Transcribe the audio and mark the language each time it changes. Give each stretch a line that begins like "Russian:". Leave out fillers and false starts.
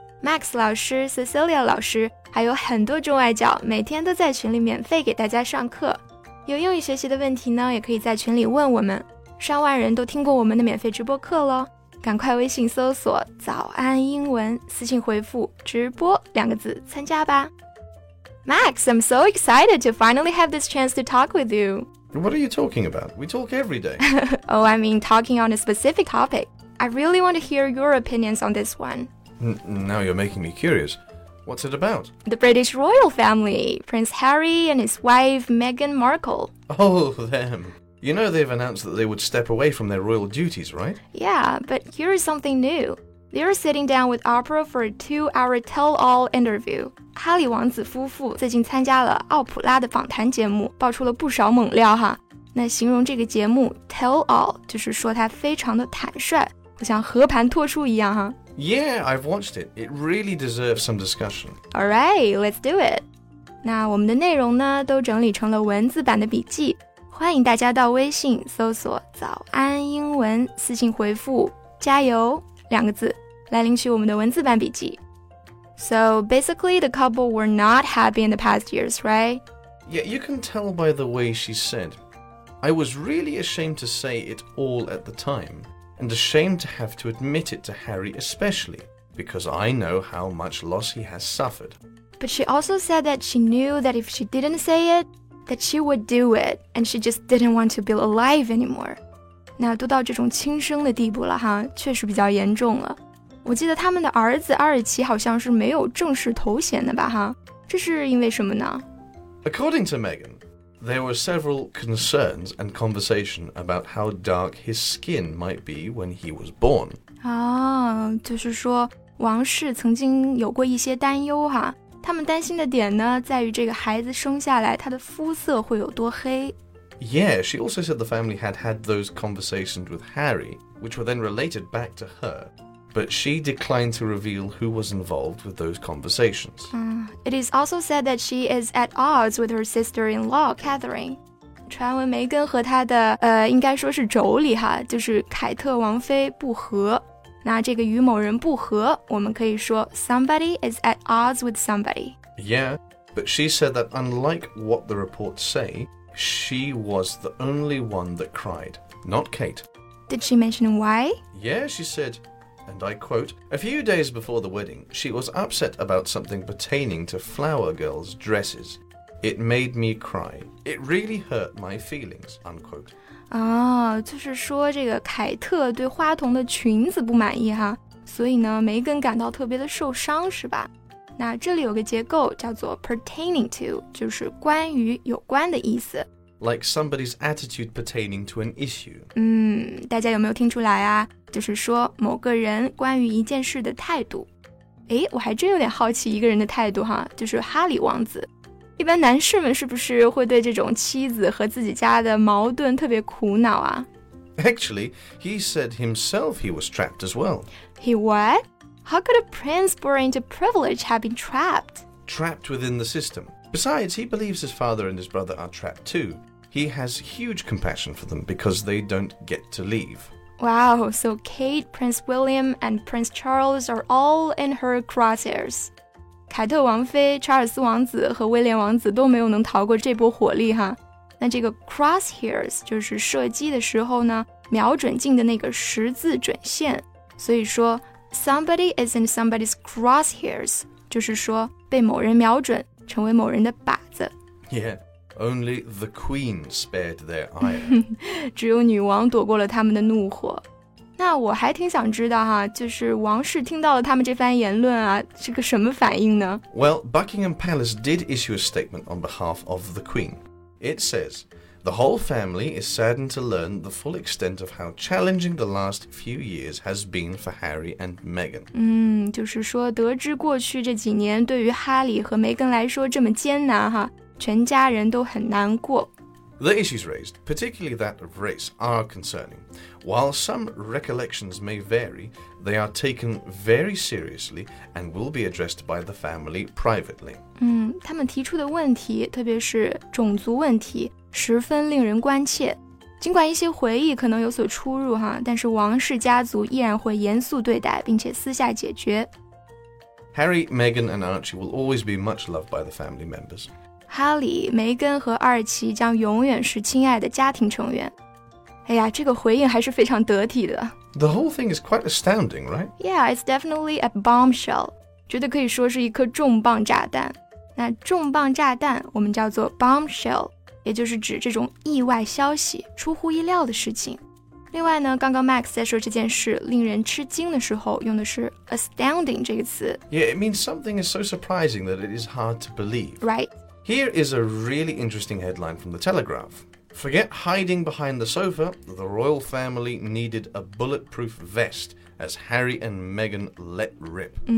Chinese: Max 老师、Cecilia 老师，还有很多中外教，每天都在群里免费给大家上课。有英语学习的问题呢，也可以在群里问我们。上万人都听过我们的免费直播课咯，赶快微信搜索早安英文，私信回复直播两个字参加吧。
English: Max, I'm so excited to finally have this chance to talk with you. What are you talking about? We talk every day. Oh, I mean talking on a specific topic. I really want to hear your opinions on this one. Now you're making me curious. What's it about? The British royal family, Prince Harry and his wife Meghan Markle. Oh, them. You know they've announced that they would step away from their royal duties, right? Yeah, but here is something new. They're sitting down with Oprah for a two-hour tell-all interview.
Chinese: 哈利王子夫妇最近参加了奥普拉的访谈节目，爆出了不少猛料哈。那形容这个节目 tell all 就是说他非常的坦率，好像和盘托出一样哈。
English: Yeah, I've watched it. It really deserves some discussion. All right, let's do it.
Chinese: 那我们的内容呢，都整理成了文字版的笔记，欢迎大家到微信搜索“早安英文”，私信回复“加油”两个字来领取我们的文字版笔记。
English: So, basically, the couple were not happy in the past years, right? Yeah, you can tell by the way she said. I was really ashamed to say it all at the time, and ashamed to have to admit it to Harry especially, because I know how much loss he has suffered. But she also said that she knew that if she didn't say it, that she would do it, and she just didn't want to be alive anymore.
Chinese: 那都到这种轻生的地步了哈，确实比较严重了。我记得他们的儿子阿尔奇好像是没有正式头衔的吧哈，这是因为什么呢？
English: According to Meghan, there were several concerns and conversation about how dark his skin might be when he was born.
Chinese: 啊，就是说王室曾经有过一些担忧哈，他们担心的点呢，在于这个孩子生下来他的肤色会有多黑。
English: Yeah, she also said the family had had those conversations with Harry, which were then related back to her. But she declined to reveal who was involved with those conversations. It is also said that she is at odds with her sister-in-law, Catherine.
Chinese: 传闻梅根和她的应该说是妯娌哈，就是凯特王妃不和。那这个与某人不和，我们可以说 somebody is at odds with somebody.
English: Yeah, but she said that unlike what the reports say, she was the only one that cried, not Kate. Did she mention why? Yeah, she said... And I quote, a few days before the wedding, she was upset about something pertaining to flower girls' dresses. It made me cry. It really hurt my feelings, unquote.
Chinese: 哦，就是说这个凯特对花童的裙子不满意哈，所以呢，梅根感到特别的受伤，是吧？那这里有个结构叫做 pertaining to, 就是关于、有关的意思。
English: Like somebody's attitude pertaining to an issue.
Chinese: 大家有没有听出来啊？就是说某个人关于一件事的态度。诶，我还真有点好奇一个人的态度哈，就是哈里王子。一般男士们是不是会对这种妻子和自己家的矛盾特别苦恼啊？
English: Actually, he said himself he was trapped as well. He what? How could a prince born into privilege have been trapped? Trapped within the system. Besides, he believes his father and his brother are trapped too. He has huge compassion for them because they don't get to leave. Wow, so Kate, Prince William, and Prince Charles are all in her crosshairs.
Chinese: 凯特王妃、查尔斯王子和威廉王子都没有能逃过这波火力哈。那这个 crosshairs 就是射击的时候呢，瞄准镜的那个十字准线。所以说 ， somebody is in somebody's crosshairs，就是说被某人瞄准。成为某人的靶子。
English: Yeah, only the queen spared their ire.
Chinese: 只有女王躲过了他们的怒火。那我还挺想知道哈，就是王室听到了他们这番言论啊，是个什么反应呢？
English: Well, Buckingham Palace did issue a statement on behalf of the queen. It says, The whole family is saddened to learn the full extent of how challenging the last few years has been for Harry and Meghan.
Chinese: 就是说得知过去这几年对于哈里和梅根来说这么艰难哈，全家人都很难过。
English: The issues raised, particularly that of race, are concerning. While some recollections may vary, they are taken very seriously and will be addressed by the family privately.
Chinese: 他们提出的问题，特别是种族问题，十分令人关切。尽管一些回忆可能有所出入哈，但是王室家族依然会严肃对待，并且私下解决。
English: Harry, Meghan and Archie will always be much loved by the family members.
Chinese: 哈里、梅根和阿尔奇将永远是亲爱的家庭成员。哎呀，这个回应还是非常得体的。
English: The whole thing is quite astounding, right? Yeah, it's definitely a bombshell.
Chinese: 绝对可以说是一颗重磅炸弹。那重磅炸弹我们叫做 bombshell, 也就是指这种意外消息、出乎意料的事情。另外呢，刚刚 Max 在说这件事令人吃惊的时候用的是 astounding 这个词。
English: Yeah, it means something is so surprising that it is hard to believe. Right. Here is a really interesting headline from the Telegraph. Forget hiding behind the sofa, the royal family needed a bulletproof vest as Harry and Meghan let rip.